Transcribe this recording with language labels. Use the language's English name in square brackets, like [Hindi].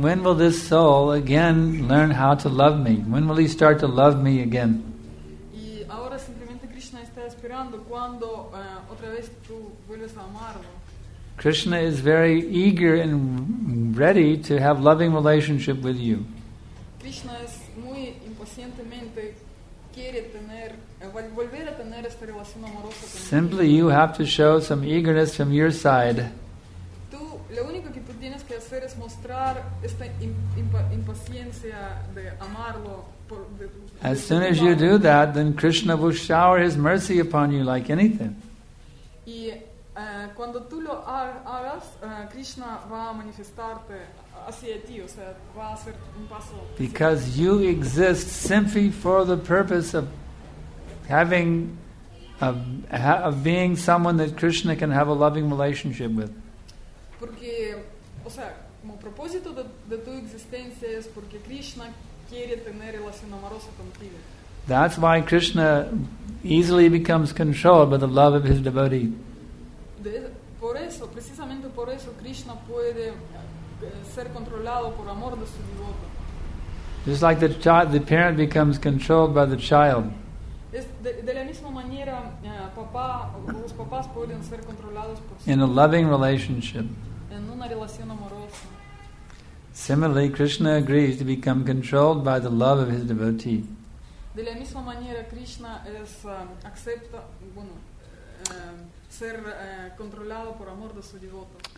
[English] When will this soul again learn how to love me? When will he start to love me again? [Spanish] Y ahora simplemente Krishna está esperando cuando otra vez tú vuelves a amarlo. [English] Krishna is very eager and ready to have loving relationship with you. [Spanish] Krishna es muy impacientemente quiere tener volver a tener esta relación amorosa con [English] Simply you have to show some eagerness from your side. [Spanish] Tú lo único que tú tienes que hacer es mostrar esta impaciencia de amarlo. [English] As soon as you do that, then Krishna will shower his mercy upon you like anything. [Spanish] Y cuando tú lo hagas, Krishna va a manifestarte hacia ti, o sea, va a hacer un paso. [English] Because you exist simply for the purpose of having of being someone that Krishna can have a loving relationship with. [Spanish] Porque, o sea, como propósito de tu existencia es porque Krishna quiere tener relación amorosa contigo. [English] That's why Krishna easily becomes controlled by the love of his devotee. [Spanish] Por eso, precisamente por eso, Krishna puede ser controlado por amor de su devoto. [English] Just like the parent becomes controlled by the child. [Spanish] De la misma manera, papá, los papás pueden ser controlados por. [English] In a loving relationship. [Spanish] En una relación amorosa. [English] Similarly, Krishna agrees to become controlled by the love of his devotee. [Spanish] De la misma manera, Krishna es acepta, bueno, ser controlado por amor de su devoto.